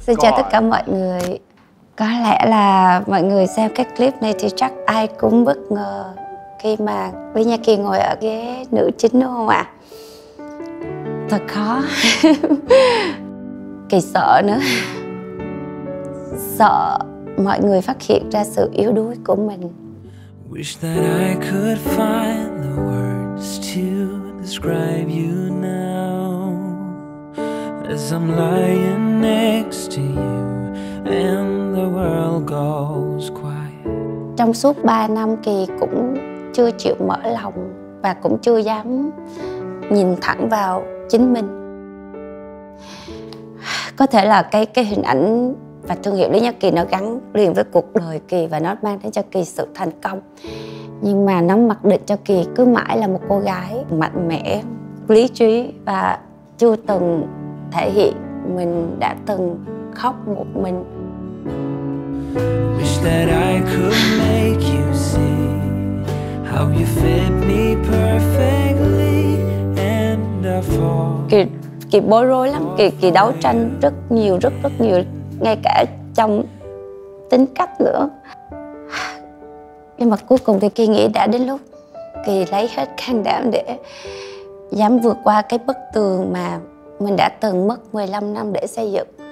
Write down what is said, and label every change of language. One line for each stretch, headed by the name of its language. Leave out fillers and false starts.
Vietnamese: Xin chào tất cả mọi người. Có lẽ là mọi người xem cái clip này thì chắc ai cũng bất ngờ khi mà Lý Nha Kỳ ngồi ở ghế nữ chính đúng không ạ? Thật khó. Kỳ sợ nữa. Sợ mọi người phát hiện ra sự yếu đuối của mình.
English: Wish that I could find the words to describe you now. As I'm lying next to you and the world goes quiet.
Vietnamese: Trong suốt 3 năm Kỳ cũng chưa chịu mở lòng và cũng chưa dám nhìn thẳng vào chính mình. Có thể là cái hình ảnh và thương hiệu Lý Nha Kỳ nó gắn liền với cuộc đời Kỳ và nó mang đến cho Kỳ sự thành công. Nhưng mà nó mặc định cho Kỳ cứ mãi là một cô gái mạnh mẽ, lý trí và chưa từng thể hiện mình đã từng khóc một mình.
English: Wish that I could make you see how you fit me perfectly and I fall.
Vietnamese: Kỳ bối rối lắm, kỳ đấu tranh rất nhiều, ngay cả trong tính cách nữa. Nhưng mà cuối cùng thì Kỳ nghĩ đã đến lúc Kỳ lấy hết can đảm để dám vượt qua cái bức tường mà mình đã từng mất 15 năm để xây dựng.